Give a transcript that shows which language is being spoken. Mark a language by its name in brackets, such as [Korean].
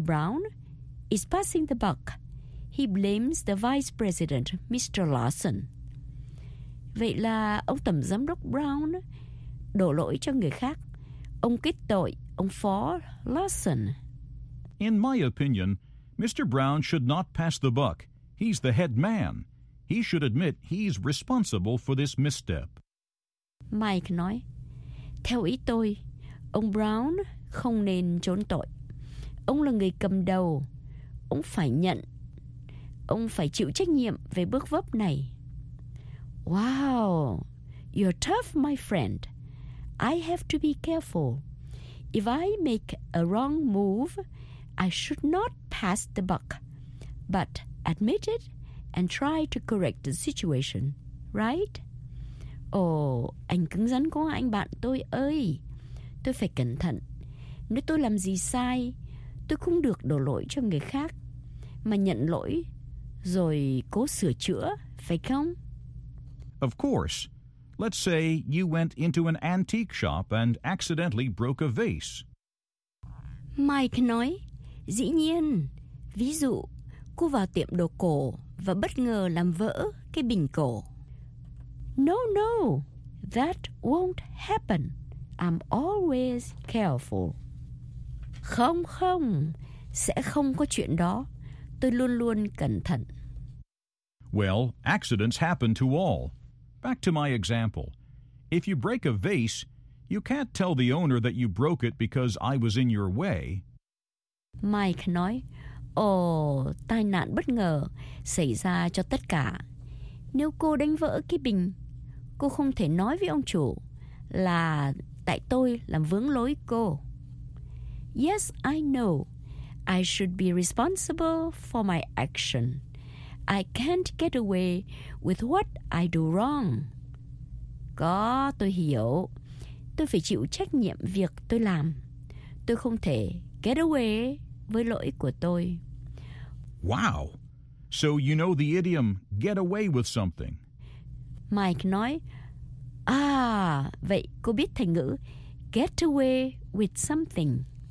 [English] Brown, is passing the buck. He blames the vice president, Mr. Lawson. [Vietnamese] Vậy là ông tổng giám đốc Brown đổ lỗi cho người khác. Ông kết tội ông phó Lawson. [English] In my opinion, Mr. Brown should not pass the buck. He's the head man. He should admit he's responsible for this misstep. [Vietnamese] Mike nói, theo ý tôi, ông Brown không nên trốn tội. Ông là người cầm đầu. Ông phải nhận. Ông phải chịu trách nhiệm về bước vấp này. [English] Wow, you're tough, my friend. I have to be careful. If I make a wrong move, I should not pass the buck, but admit it and try to correct the situation, right? [Vietnamese] Oh, anh cứng rắn quá anh bạn tôi ơi. Tôi phải cẩn thận. Nếu tôi làm gì sai, tôi không được đổ lỗi cho người khác, mà nhận lỗi rồi cố sửa chữa, phải không? [English] Of course. Let's say you went into an antique shop and accidentally broke a vase. [Vietnamese] Mike nói, dĩ nhiên, ví dụ, cô vào tiệm đồ cổ và bất ngờ làm vỡ cái bình cổ. [English] No, no, that won't happen. I'm always careful. [Vietnamese] Không, không, sẽ không có chuyện đó. Tôi luôn luôn cẩn thận. [English] Well, accidents happen to all. Back to my example. If you break a vase, you can't tell the owner that you broke it because I was in your way. [Vietnamese] Mike nói, ồ, tai nạn bất ngờ xảy ra cho tất cả. Nếu cô đánh vỡ cái bình, cô không thể nói với ông chủ là tại tôi làm vướng lối cô. [English] Yes, I know. I should be responsible for my action. I can't get away with what I do wrong. [Vietnamese] Có, tôi hiểu. Tôi phải chịu trách nhiệm việc tôi làm. Tôi không thể [English] get away [Vietnamese] với lỗi của tôi. [English] Wow! So you know the idiom, get away with something. [Vietnamese] Mike nói, ah, vậy cô biết thành ngữ, [English] get away with something.